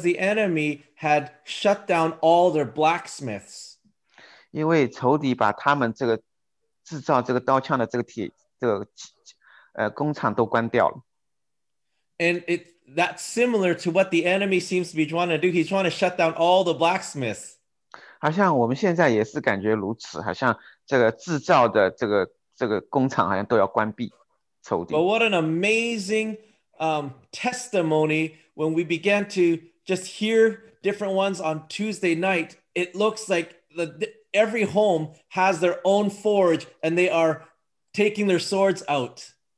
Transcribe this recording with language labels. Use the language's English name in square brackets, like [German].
[English] the enemy had shut down all their blacksmiths. [Chinese] 因为仇敌把他们这个制造这个刀枪的这个工厂都关掉了。And [English] it that's similar to what the enemy seems to be trying to do. He's trying to shut down all the blacksmiths. [Chinese] 好像我们现在也是感觉如此，好像这个制造的这个工厂好像都要关闭，仇敌。But [English] what an amazing testimony when we began to just hear different ones on Tuesday night. It looks like every home has their own forge and they are taking their swords out.